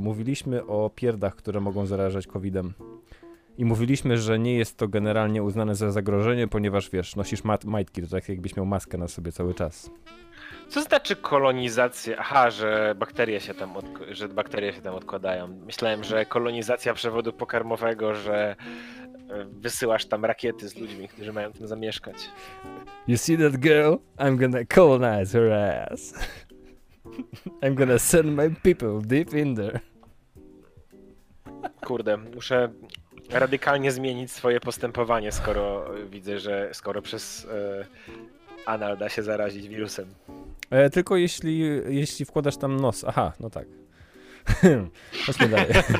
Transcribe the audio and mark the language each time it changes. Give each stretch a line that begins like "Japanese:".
Polish: Mówiliśmy o pierdach, które mogą zarażać COVID-em. I mówiliśmy, że nie jest to generalnie uznane za zagrożenie, ponieważ wiesz, nosisz majtki, to tak jakbyś miał maskę na sobie cały czas. Co znaczy kolonizacja? Aha, że bakterie się tam, odkładają. Myślałem, że kolonizacja przewodu pokarmowego, że wysyłasz tam rakiety z ludźmi, którzy mają tam zamieszkać.
English: You see that girl? I'm gonna colonize her ass. I'm gonna send my people deep in there.
Polish: Kurde, muszę radykalnie zmienić swoje postępowanie, skoro widzę, że skoro przez anal da się zarazić wirusem. Tylko jeśli wkładasz tam nos. Aha, no tak. Chodźmy dalej.